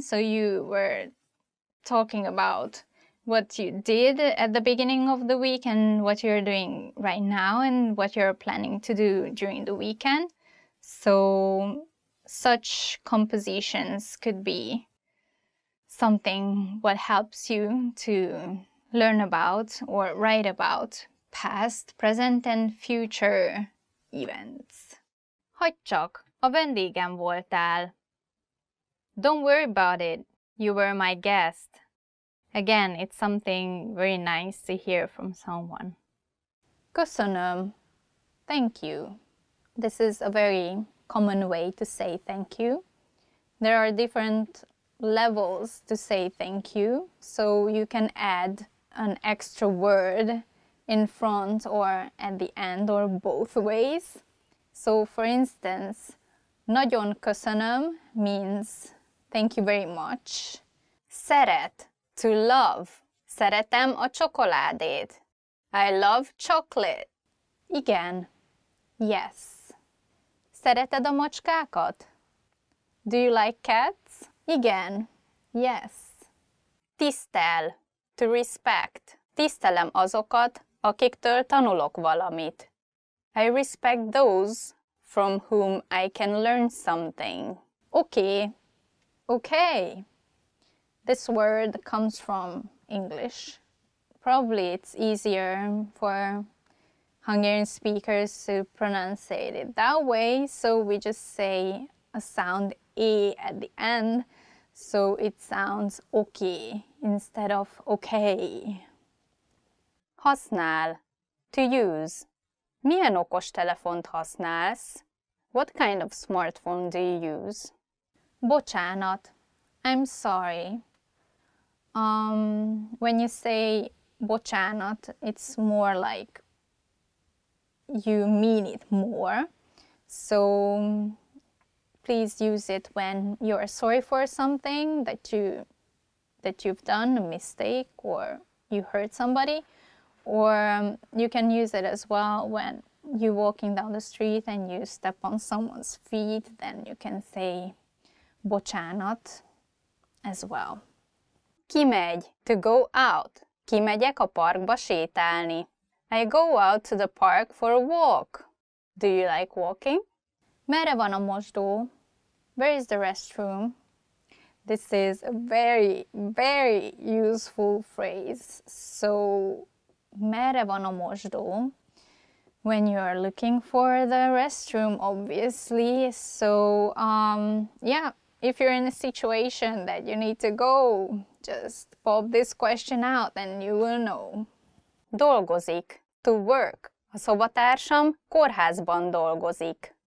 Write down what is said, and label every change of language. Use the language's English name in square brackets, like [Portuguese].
[English] So you were talking about what you did at the beginning of the week and what you're doing right now and what you're planning to do during the weekend. So such compositions could be something what helps you to learn about or write about past, present and future events. [Hungarian] Hogy csak, a vendégem voltál. [English] Don't worry about it, you were my guest. Again, it's something very nice to hear from someone. [Hungarian] Köszönöm. [English] Thank you. This is a very common way to say thank you. There are different levels to say thank you, so you can add an extra word in front or at the end or both ways. So for instance, [Hungarian] nagyon köszönöm [English] means thank you very much. [Hungarian] Szeret. [English] To love. [Hungarian] Szeretem a csokoládét. [English] I love chocolate. [Hungarian] Igen. [English] Yes. [Hungarian] Szereted a macskákat? [English] Do you like cats? [Hungarian] Igen. [English] Yes. [Hungarian] Tisztel. [English] To respect. [Hungarian] Tisztelem azokat, akiktől tanulok valamit. [English] I respect those from whom I can learn something. Okay. Okay. This word comes from English. Probably it's easier for Hungarian speakers to pronounce it that way, so we just say a sound E at the end, so it sounds okay instead of okay. [Hungarian] Használ, [English] to use. [Hungarian] Milyen okos telefont használsz? [English] What kind of smartphone do you use? [Hungarian] Bocsánat, [English] I'm sorry. When you say bocsánat, it's more like you mean it more. So please use it when you're sorry for something that you've done, a mistake, or you hurt somebody. Or you can use it as well when you're walking down the street and you step on someone's feet, then you can say bocsánat as well. [Hungarian] Kimegy, [English] to go out. [Hungarian] Kimegyek a parkba sétálni. [English] I go out to the park for a walk. Do you like walking? [Hungarian] Merre van a mosdó? [English] Where is the restroom? This is a very, very useful phrase. [Hungarian] So, merre van a mosdó? [English] When you're looking for the restroom, obviously. So, yeah, if you're in a situation that you need to go, just pop this question out and you will know. [Hungarian] Dolgozik, [English] to work. [Hungarian] A szobatársam kórházban dolgozik.